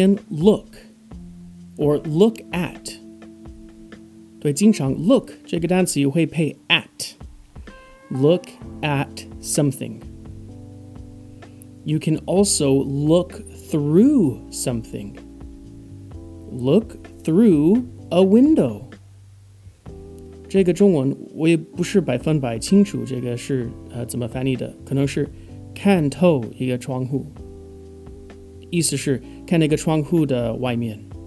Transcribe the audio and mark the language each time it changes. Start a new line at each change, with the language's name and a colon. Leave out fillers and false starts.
English: Look, or look at.
Chinese: 对，经常 look 这个单词也会配 at.
English: Look at something. You can also look through something. Look through a window.
Chinese: 这个中文我也不是百分百清楚这个是、怎么翻译的，可能是看透一个窗户，意思是看那个窗户的外面。